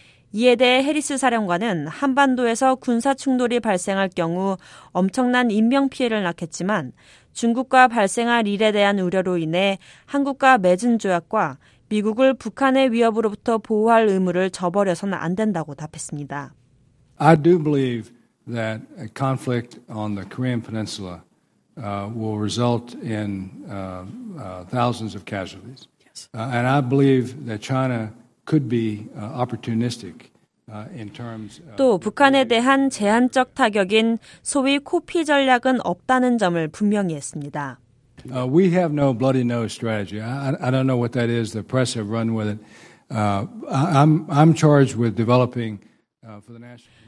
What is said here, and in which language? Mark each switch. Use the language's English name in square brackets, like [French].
[Korean] 이에 대해 해리스 사령관은 한반도에서 군사 충돌이 발생할 경우 엄청난 인명피해를 낳겠지만 중국과 발생할 일에 대한 우려로 인해 한국과 맺은 조약과 미국을 북한의 위협으로부터 보호할 의무를 저버려서는 안 된다고 답했습니다. [English] I do believe that a conflict on the Korean Peninsula will result in thousands of casualties. Yes. And I believe that China could be opportunistic. [Korean] 또 북한에 대한 제한적 타격인 소위 코피 전략은 없다는 점을 분명히 했습니다. [English] We have no bloody nose strategy. I don't know what that is. The press have run with it. I'm charged with developing for the national.